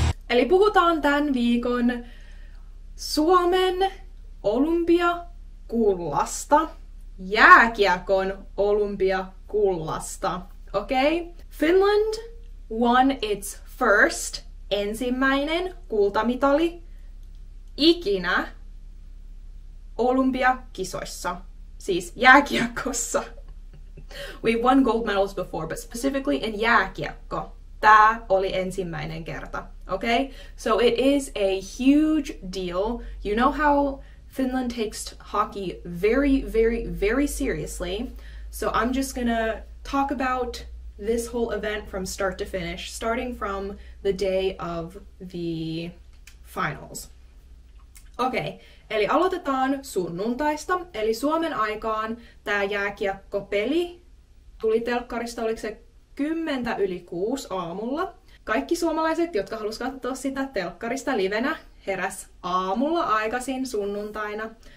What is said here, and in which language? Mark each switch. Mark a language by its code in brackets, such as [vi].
[fi] Eli puhutaan tämän viikon Suomen olympiakullasta, jääkiekon olympiakullasta, okei? Okay? [en] Finland won its first, [fi] ensimmäinen kultamitali ikinä olympiakisoissa, siis jääkiekossa. [en] We've won gold medals before, but specifically in jääkiekko. [fi] Tämä oli ensimmäinen kerta, okay? [en] So it is a huge deal. You know how Finland takes hockey very, very, very seriously. So I'm just gonna talk about this whole event from start to finish, starting from the day of the finals. [fi] Okay, eli aloitetaan sunnuntaista, eli Suomen aikaan tämä jääkiekkopeli tuli telkkarista, oliko se 5:50 aamulla. Kaikki suomalaiset, jotka halusivat katsoa sitä telkkarista livenä, heräs aamulla aikaisin sunnuntaina.